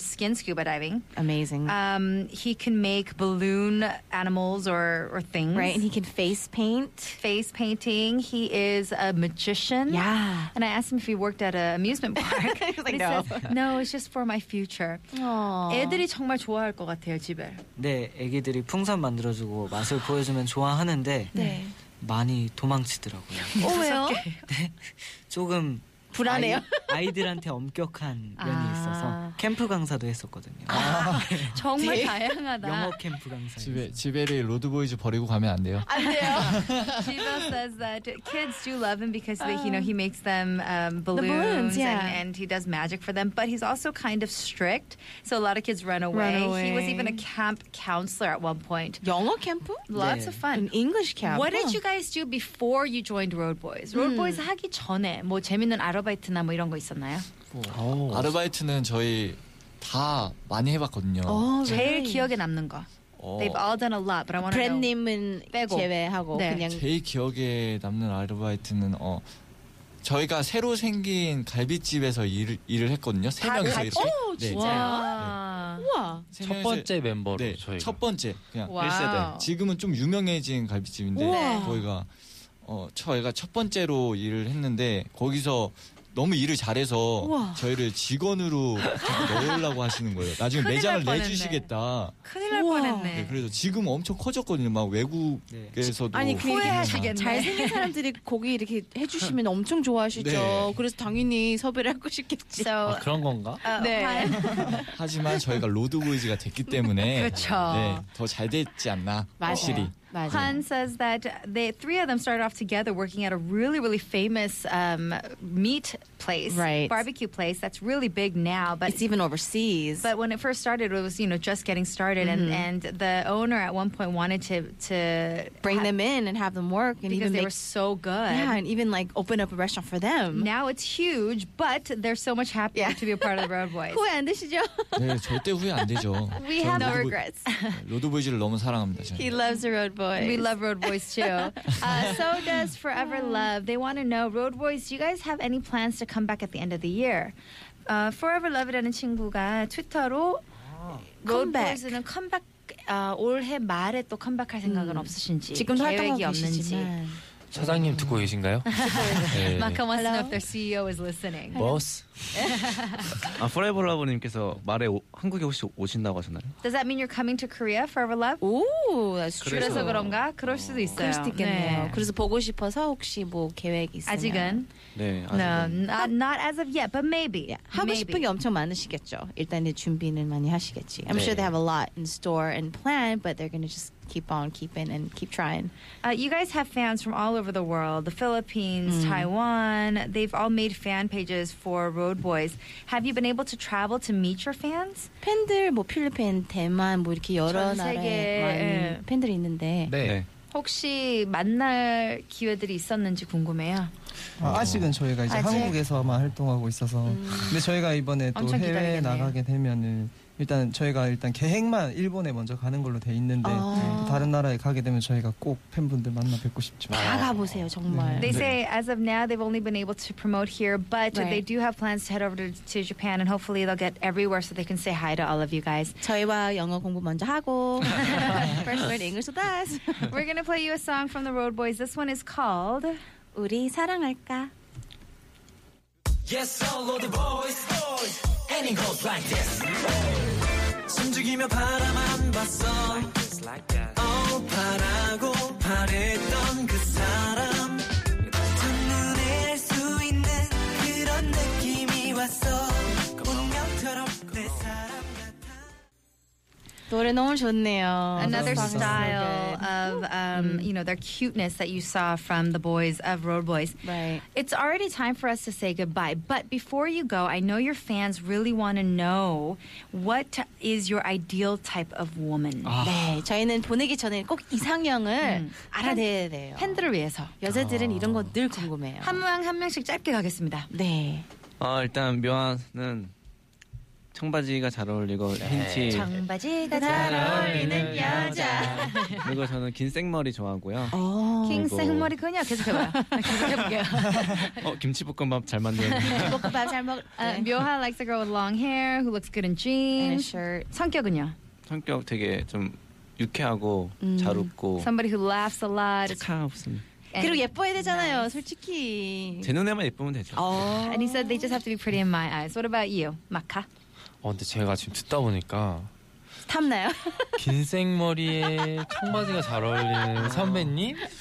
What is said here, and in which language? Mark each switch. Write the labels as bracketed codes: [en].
[en] skin scuba diving. Amazing. He can make balloon animals or things. Right, and he can face painting. He is a magician. Yeah. And I asked him if he worked at an amusement park. He's like, no. He says, no, it's just for my future. Aww. [ko] 애들이 정말 좋아할 것 같아요, 집에. 네, 애기들이 풍선 만들어주고 맛을 보여주면 좋아하는데 네. 많이 도망치더라고요. 오, 왜요? 네, 조금 불안해요? 아이들한테 엄격한 면이 있어서 캠프 강사도 했었거든요. 정말 다양하다. 영어 캠프 강사. 지베리 로드보이즈 버리고 가면 안 돼요? 안 돼요. [en] Jiba says that kids do love him because they, you know, he makes them balloons yeah. and he does magic for them. But he's also kind of strict. So a lot of kids run away. He was even a camp counselor at one point. [ko] 영어 캠프? [en] Lots 네. of fun. An English camp. What did you guys do before you joined Roadboys? [ko] Roadboys 하기 전에 뭐 재밌는 아르바이트나 뭐 이런 거 있었나요? 아르바이트는 저희 다 많이 해봤거든요. 오, 제일 기억에 남는 거. [en] They've all done a lot, but I want to. [ko] 브랜님은 빼고 제외하고 네. 그냥 제일 기억에 남는 아르바이트는 저희가 새로 생긴 갈비집에서 일을 했거든요. 세 명이서 이렇게. 오, 네, 진짜요? 우와. 첫 번째 멤버로 네, 저희. 첫 번째 그냥 1세대. 지금은 좀 유명해진 갈비집인데 우와. 저희가. 저희가 첫 번째로 일을 했는데 거기서 너무 일을 잘해서 우와. 저희를 직원으로 넣으려고 하시는 거예요. 나중에 매장을 내주시겠다. 큰일 날 뻔했네. 네, 그래서 지금 엄청 커졌거든요. 막 외국에서도 아니 후회하시겠네. 잘생긴 사람들이 고기 이렇게 해주시면 엄청 좋아하시죠. 네. 그래서 당연히 섭외를 하고 싶겠지. [en] So, [ko] 아, 그런 건가? 네. 하지만 저희가 로드보이즈가 됐기 때문에 그렇죠. 네, 더 잘 됐지 않나 맞아요. 확실히. [en] Han says that three of them started off together working at a really, really famous meat place, right. barbecue place that's really big now. But it's even overseas. But when it first started, it was, you know, just getting started. Mm-hmm. And the owner at one point wanted to bring them in and have them work. And because even they were so good. Yeah, and even, like, open up a restaurant for them. Now it's huge, but they're so much happier yeah. to be a part of the Roadboys. [ko] 후회 안 되시죠? 네, 절대 후회 안 되죠. [en] We have no regrets. [ko] 로드보이즈를 너무 사랑합니다. [en] He loves the Roadboys. Boys. We love Road Boys too. So does Forever Love. They want to know, Road Boys, do you guys have any plans to come back at the end of the year? [ko] Forever Love이라는 친구가 트위터로 [en] Road [ko] Boys는 컴백 올해 말에 또 컴백할 생각은 없으신지 지금 계획이 계시지만. 없는지. 사장님 듣고 계신가요? 네. [en] Maka wants to know if their CEO is listening. Boss. [ko] 아, Forever Love님께서 말에 한국에 혹시 오신다고 하셨나요? [en] Does that mean you're coming to Korea, Forever Love? Ooh, that's true. [ko] 그래서 그런가? 그럴 수도 있어요. 그럴 수도 있겠네요. 네. 그래서 보고 싶어서 혹시 뭐 계획 있으면. 아직은? 네, 아직은. [en] No, not as of yet, but maybe. Yeah, [ko] 하고 [en] maybe. [ko] 싶은 게 엄청 많으시겠죠. 일단 준비는 많이 하시겠지. [en] I'm [ko] 네. [en] sure they have a lot in store and plan, but they're going to just keep on keeping and keep trying. You guys have fans from all over the world, the Philippines, Taiwan. They've all made fan pages for Road Boys. Have you been able to travel to meet your fans? [ko] 팬들 뭐 필리핀, 대만 뭐 이렇게 여러 나라에 많은 예. 팬들이 있는데 네. 네. 혹시 만날 기회들이 있었는지 궁금해요. 아직은 저희가 이제 아직? 한국에서만 활동하고 있어서 근데 저희가 이번에 또 해외에 나가게 되면은 일단 저희가 일단 계획만 일본에 먼저 가는 걸로 돼 있는데 다른 나라에 가게 되면 저희가 꼭 팬분들 만나 뵙고 싶죠. 다 가보세요 정말. 네. [en] They say as of now they've only been able to promote here, but right. they do have plans to head over to Japan and hopefully they'll get everywhere so they can say hi to all of you guys. [ko] 저희와 영어 공부 먼저 하고 [en] first word English with us. We're gonna play you a song from the Road Boys. This one is called [ko] 우리 사랑할까. [en] Yes, all of the boys, boys. And it goes like this. [ko] 숨죽이며 바람 안 봤어. [en] Like this, like that. [ko] 바라고 바랬던 그 사람. 첫눈에 알 수 있는 그런 느낌이 왔어. 노래 너무 좋네요. [en] Another style of, you know, their cuteness that you saw from the boys of Road Boys. Right. It's already time for us to say goodbye. But before you go, I know your fans really want to know what is your ideal type of woman. [ko] 네, 저희는 보내기 전에 꼭 이상형을 알아내야 돼요. 팬들을 위해서. 여자들은 이런 거 늘 궁금해요. 한 명 한 명씩 짧게 가겠습니다. 네. 일단 묘한은 청바지가 잘 어울리고 팬티 네. 청바지가 잘 어울리는 여자 그리고 저는 긴 생머리 좋아하고요 긴 생머리 그냥 계속해봐요 계속해볼게요 김치볶음밥 잘 만드는 김치볶음밥 잘 먹... [en] 묘하 likes a girl with long hair who looks good in jeans and a shirt [ko] 성격은요? 성격 되게 좀 유쾌하고 잘 웃고 [en] somebody who laughs a lot [ko] 착한 웃습니다 그리고 예뻐야 되잖아요 nice. 솔직히 제 눈에만 예쁘면 되죠 [en] and he said they just have to be pretty in my eyes what about you? [ko] 마카? 근데 제가 지금 듣다 보니까 탐나요? 긴 생머리에 청바지가 잘 어울리는 선배님?